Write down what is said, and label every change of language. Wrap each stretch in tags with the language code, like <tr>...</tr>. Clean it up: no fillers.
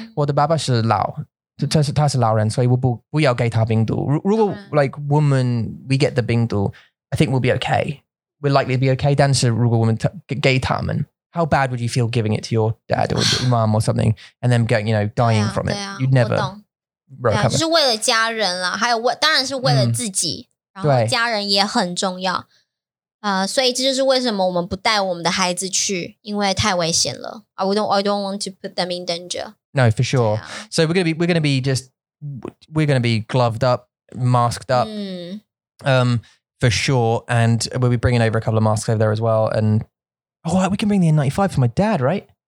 <zh>我的爸爸是老，他是老人，所以我不要给他病毒。如果</zh> <en>like woman we get the</en> <zh>病毒</zh> <en>，I think we'll be okay. We're likely to be okay.</en> <zh>但是如果我们给他们</zh> <en>，how bad would you feel giving it to your dad or your mom or something and then getting you know dying from it? You'd never recover.</en> <zh>就是为了家人啦，还有当然是为了自己，然后家人也很重要。所以这就是为什么我们不带我们的孩子去，因为太危险了。</zh> <en>I don't want to put them in danger. No, for sure.、啊、so we're gonna be gloved up, masked up,、for sure. And we'll be bringing over a couple of masks over there as well. And oh, we can bring the N95 for my dad, right?</en>